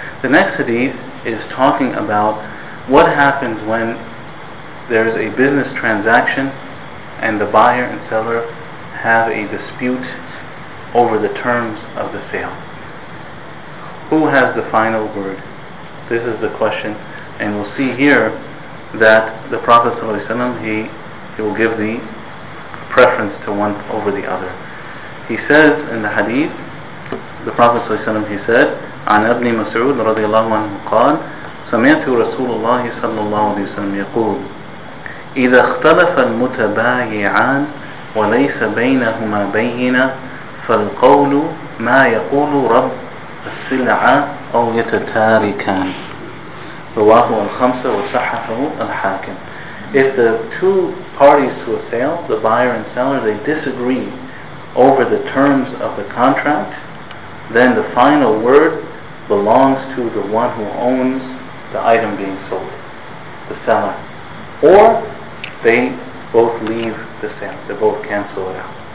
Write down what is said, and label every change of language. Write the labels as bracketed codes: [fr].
[en] The next hadith is talking about what happens when there's a business transaction and the buyer and seller have a dispute over the terms of the sale. Who has the final word? This is the question. And we'll see here that the Prophet ﷺ, he will give the preference to one over the other. He says in the hadith, the Prophet ﷺ, he said, [ar] عن ابن مسعود رضي الله عنه قال سمعت رسول الله صلى الله عليه وسلم يقول إذا اختلف المتبايعان وليس بينهما بينة فالقول ما يقول رب السلعة أو يتتاركان رواه الخمسة وصححه الحاكم. [en] If the two parties to a sale, the buyer and seller, they disagree over the terms of the contract, then the final word belongs to the one who owns the item being sold, the seller. Or they both leave the sale, they both cancel it out.